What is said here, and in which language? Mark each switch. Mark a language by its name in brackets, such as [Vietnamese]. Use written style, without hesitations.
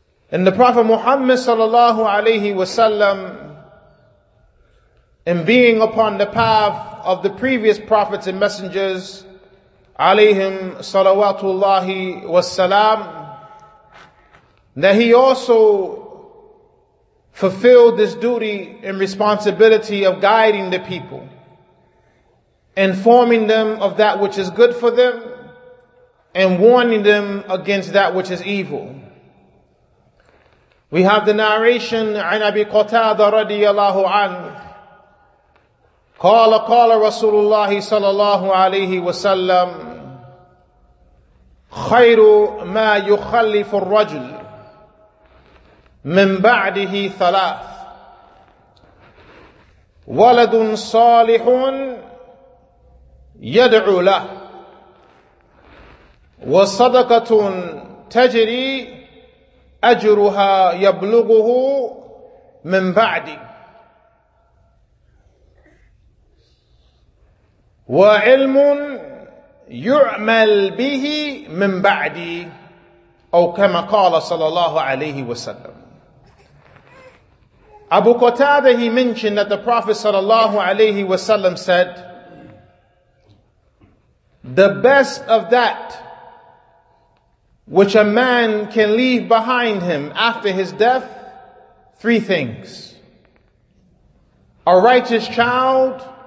[English] And the Prophet Muhammad sallallahu alaihi wasallam, in being upon the path of the previous prophets and messengers, alayhim salawatullahi wassalam, that he also fulfilled this duty and responsibility of guiding the people, informing them of that which is good for them, and warning them against that which is evil. We have the narration, [Arabic] عن أبي قتادة رضي الله عنه قال قال رسول الله صلى الله عليه وسلم خير ما يخلف الرجل من بعده ثلاث ولد صالح يدعو له وصدقة تجري أجرها يبلغه من بعده وعلم يعمل به من بعدي أو كما قال صلى الله عليه وسلم. [English] Abu Qatada, he mentioned that the Prophet [Arabic] صلى الله عليه وسلم [English] said, the best of that which a man can leave behind him after his death, three things: a righteous child